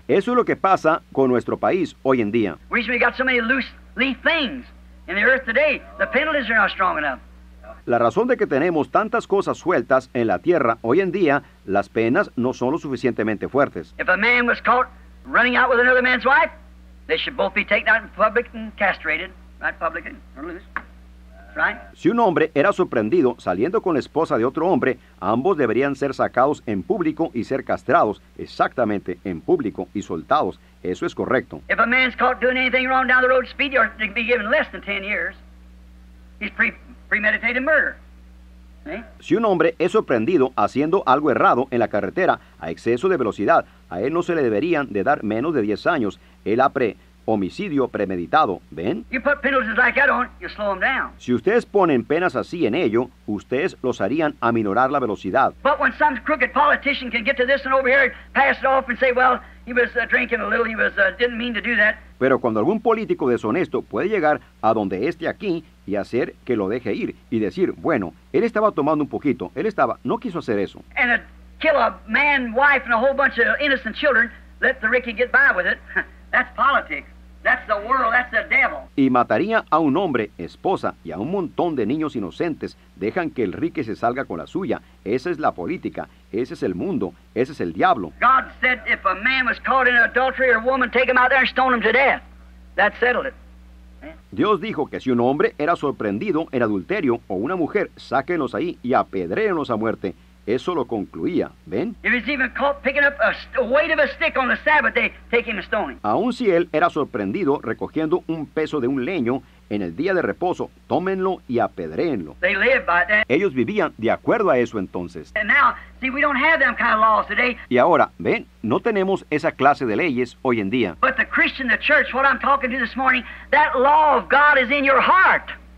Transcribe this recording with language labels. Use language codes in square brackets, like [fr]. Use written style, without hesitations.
[es] Eso es lo que pasa con nuestro país hoy en día. [en] We've got so many loose leaf things in the earth today, the penalties are not strong enough. [es] La razón de que tenemos tantas cosas sueltas en la tierra hoy en día, las penas no son lo suficientemente fuertes. [en] If a man was caught running out with another man's wife, they should both be taken out in public and castrated, right, public and loose. Right. [es] Si un hombre era sorprendido saliendo con la esposa de otro hombre, ambos deberían ser sacados en público y ser castrados, exactamente, en público y soltados. Eso es correcto. [en] If a man's caught doing anything wrong down the road, speed, or he'd be given less than 10 years, he's premeditated murder. [es] Si un hombre es sorprendido haciendo algo errado en la carretera a exceso de velocidad, a él no se le deberían de dar menos de 10 años. Él ha pre homicidio premeditado, ¿ven? [en] You put penalties like that on, you slow them down. [es] Si ustedes ponen penas así en ello, ustedes los harían aminorar la velocidad. [en] But when some crooked politician can get to this and over here, pass it off and say, well, he was drinking a little, he was didn't mean to do that. [es] Pero cuando algún político deshonesto puede llegar a donde esté aquí y hacer que lo deje ir y decir, bueno, él estaba tomando un poquito, él estaba, no quiso hacer eso. [en] And kill a man, wife, and a whole bunch of innocent children, let the Ricky get by with it. That's politics. That's the world. That's the devil. [es] Y mataría a un hombre, esposa, y a un montón de niños inocentes. Dejan que el Ricky se salga con la suya. Esa es la política. Ese es el mundo. Ese es el diablo. [en] God said if a man was caught in adultery or a woman, take him out there and stone him to death. That settled it. [es] Dios dijo que si un hombre era sorprendido en adulterio o una mujer, sáquenlos ahí y apedréenlos a muerte. Eso lo concluía, ¿ven? [en] If he's even caught picking up a weight of a stick on the Sabbath day, take him and stone him. [es] Aun si él era sorprendido recogiendo un peso de un leño en el día de reposo, tómenlo y apedréenlo. [en] They live by that. [es] Ellos vivían de acuerdo a eso entonces. [en] And now, see, we don't have them kind of laws today. [es] Y ahora, ¿ven? No tenemos esa clase de leyes hoy en día. [en] But the Christian, the church, what I'm talking to this morning, that law of God is in your heart.